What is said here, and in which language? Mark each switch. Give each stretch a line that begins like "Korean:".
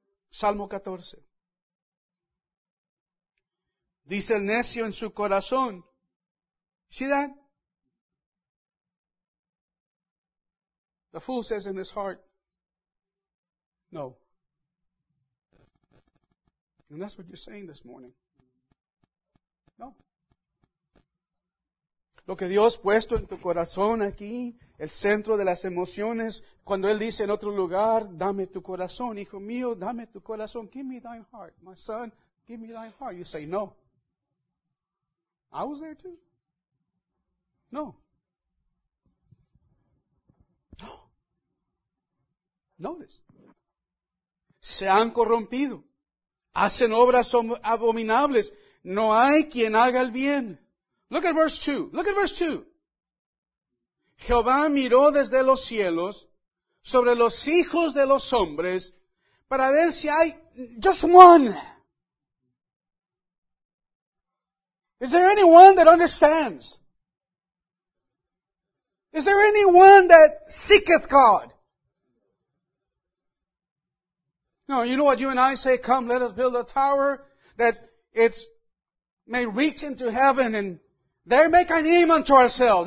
Spanish: Salmo 14. Dice el necio en su corazón. ¿Sí dan?
English: The fool says in his heart, no. And that's what you're saying this morning. No.
Spanish: Lo que Dios ha puesto en tu corazón aquí, el centro de las emociones, cuando Él dice en otro lugar, dame tu corazón, hijo mío, dame tu corazón.
English: Give me thy heart, my son, give me thy heart. You say, no. I was there too. No. Notice.
Spanish: Se han corrompido. Hacen obras abominables. No hay quien haga el bien.
English: Look at verse 2.
Spanish: Look at verse 2. Jehová miró desde los cielos sobre los hijos de los hombres para ver si hay
English: just one. Is there anyone that understands? Is there anyone that seeketh God? No, you know what you and I say, come, let us build a tower that it may reach into heaven and there make a name unto ourselves.